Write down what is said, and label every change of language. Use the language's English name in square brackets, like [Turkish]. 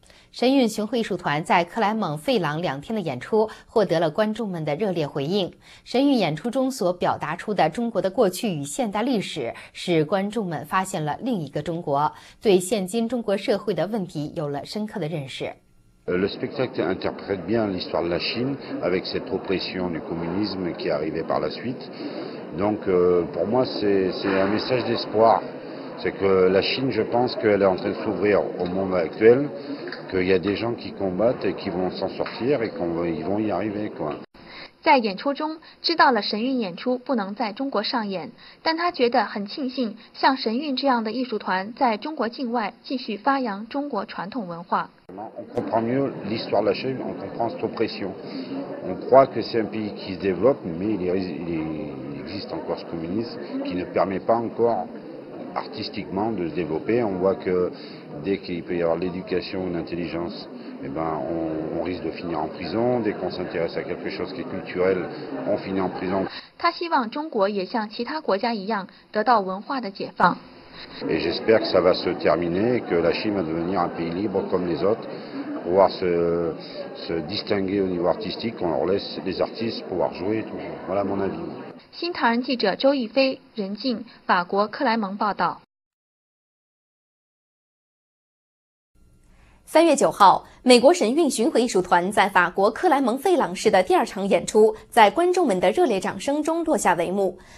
[Chinese] 神韵巡回艺术团在克莱蒙费朗2天的演出获得了观众们的热烈回应。神韵演出中所表达出的中国的过去与现代历史，使观众们发现了另一个中国，对现今中国社会的问题有了深刻的认识。 [French] Le spectacle interprète bien l'histoire de la Chine avec cette oppression du communisme qui est arrivée par la suite. Donc pour moi c'est un message d'espoir. C'est que la Chine, je pense qu'elle est en train de s'ouvrir au monde actuel. Qu'il y a des gens qui combattent et qui vont s'en sortir et qu'ils vont y arriver, quoi. [Chinese] 在演出中，知道了神韵演出不能在中国上演，但他觉得很庆幸，像神韵这样的艺术团在中国境外继续发扬中国传统文化。 [French] On comprend mieux l'histoire de la Chine, on comprend cette oppression. On croit que c'est un pays qui se développe, mais il existe encore ce communisme qui ne permet pas encore artistiquement de se développer. On voit que. Dès qu'il peut y avoir l'éducation ou l'intelligence, on risque de finir en prison. Dès qu'on s'intéresse à quelque chose qui est culturel, on finit en prison. [Chinese] 他希望中国也像其他国家一样得到文化的解放。 [French] Et j'espère que ça va se terminer, que la Chine va devenir un pays libre comme les autres, pouvoir se distinguer au niveau artistique, qu'on leur laisse les artistes pouvoir jouer. Voilà mon avis. [Chinese] 新唐人记者周亦飞、任静，法国克莱蒙报道。 3月9号，美国神韵巡回艺术团在法国克莱蒙费朗市的第二场演出在观众们的热烈掌声中落下帷幕。